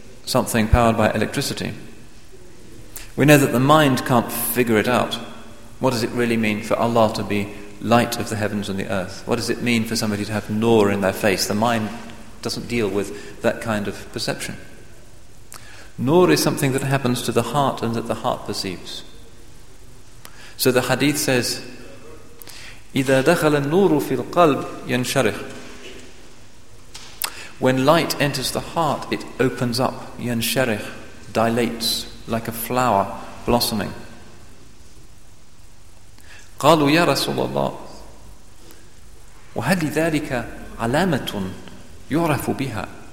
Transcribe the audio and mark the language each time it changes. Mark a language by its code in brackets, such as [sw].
[en] something powered by electricity. We know that the mind can't figure it out. What does it really mean for Allah to be light of the heavens and the earth? What does it mean for somebody to have nur in their face? The mind doesn't deal with that kind of perception. Nur is something that happens to the heart and that the heart perceives. So the hadith says, [ar] إِذَا دَخَلَ النُّورُ فِي الْقَلْبِ يَنْشَرِخْ. [en] When light enters the heart, it opens up, yansharikh, dilates, like a flower blossoming. [ar] قَالُوا يَا رَسُولَ اللَّهِ وَهَلِّ ذَلِكَ عَلَامَةٌ يُعْرَفُ بِهَا.